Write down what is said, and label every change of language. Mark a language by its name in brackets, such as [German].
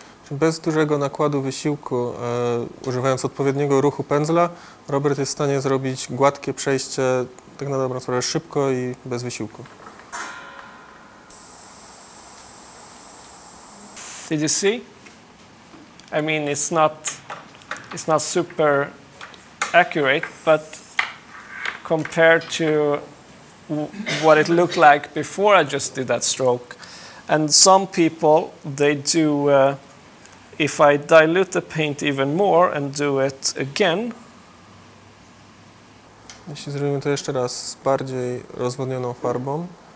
[Polish] bez dużego nakładu wysiłku, używając odpowiedniego ruchu pędzla, Robert jest w stanie zrobić gładkie przejście, tak na dobrą sprawę, szybko i bez wysiłku. [English] Did you see? I mean, it's not super accurate, but compared to what it looked like before I just did that stroke. And some people, they do if I dilute the paint even more and do it again. [Polish] Jeśli zrobimy to jeszcze raz z bardziej rozwodnioną farbą.